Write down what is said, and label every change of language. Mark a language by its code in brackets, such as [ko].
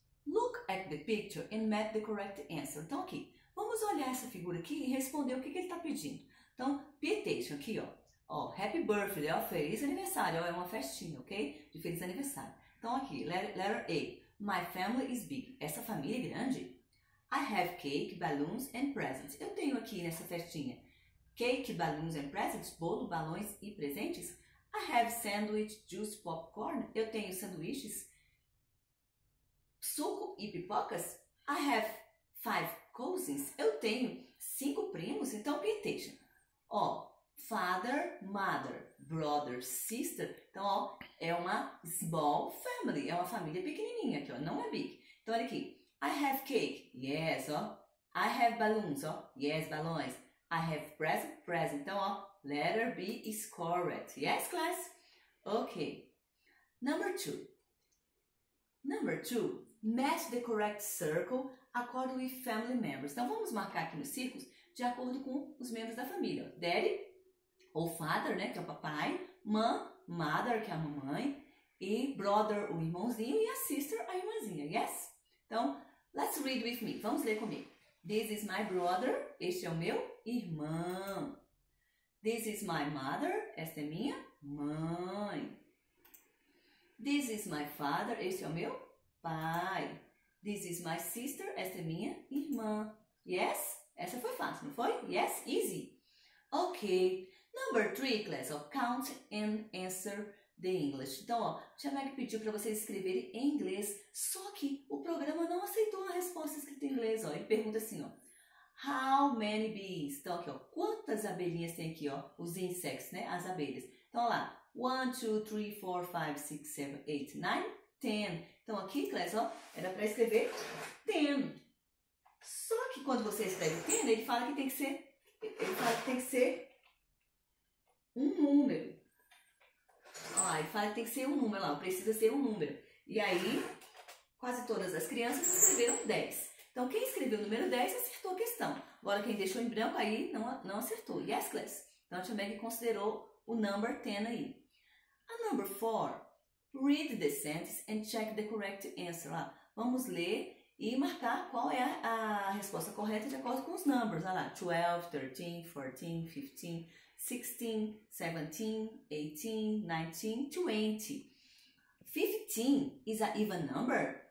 [en] Look at the picture and map the correct answer. [pt] Então, aqui. Vamos olhar essa figura aqui e responder o que ele está pedindo. Então, petition aqui, ó. Ó, [en] happy birthday, [pt] ó. Feliz aniversário. Ó, é uma festinha, ok? De feliz aniversário. Então, aqui. [en] Letter A. My family is big. [pt] Essa família é grande? [en] I have cake, balloons and presents. [pt] Eu tenho aqui nessa festinha [en] cake, balloons and presents. [pt] Bolo, balões e presentes. [en] I have sandwich, juice, popcorn. [pt] Eu tenho sanduíches, suco e pipocas. [en] I have five cousins. [pt] Eu tenho cinco primos. Então, [en] pay attention. Ó, father, mother, brother, sister. [pt] Então, ó, é uma [en] small family. [pt] É uma família pequenininha aqui, ó. Não é big. Então, olha aqui. [en] I have cake. Yes, [pt] ó. [en] I have balloons, ó. Yes, balões. I have present. Present. Então, ó, letter B is correct. Yes, class? Ok. Number two. Number two. Match the correct circle according with family members. [pt] Então, vamos marcar aqui nos círculos de acordo com os membros da família. Daddy. Ou father, né, que é o papai, mother, que é a mamãe, e brother, o irmãozinho, e a sister, a irmãzinha, yes? Então, [en] let's read with me, [pt] vamos ler comigo. [en] This is my brother, [pt] este é o meu irmão. [en] This is my mother, [pt] esta é minha mãe. [en] This is my father, [pt] este é o meu pai. [en] This is my sister, [pt] esta é minha irmã. Yes? Essa foi fácil, não foi? [en] Yes? Easy. [pt] Ok. [en] Number three, class, ó, count and answer the English. [pt] Então, ó, tia Meg pediu para vocês escreverem em inglês, só que o programa não aceitou a resposta escrita em inglês, ó. Ele pergunta assim, ó, [en] how many bees? [pt] Então, aqui, ó, quantas abelhinhas tem aqui, ó, os insetos, né, as abelhas. Então, lá, 1, 2, 3, 4, 5, 6, 7, 8, 9, 10. Então, aqui, class, ó, era para escrever 10. Só que quando você escreve 10, ele fala que tem que ser, ele fala que tem que ser um número. Ó, ele fala que tem que ser um número, ó, precisa ser um número. E aí, quase todas as crianças escreveram 10. Então, quem escreveu o número 10 acertou a questão. Agora, quem deixou em branco aí não acertou. [en] Yes, class? [pt] Então, a tia Meg considerou o number 10 aí. [en] A number 4. Read the sentence and check the correct answer. [pt] Ó, vamos ler e marcar qual é a resposta correta de acordo com os números. Olha lá, 12, 13, 14, 15. 16, 17, 18, 19, 20. [en] 15 is a even number?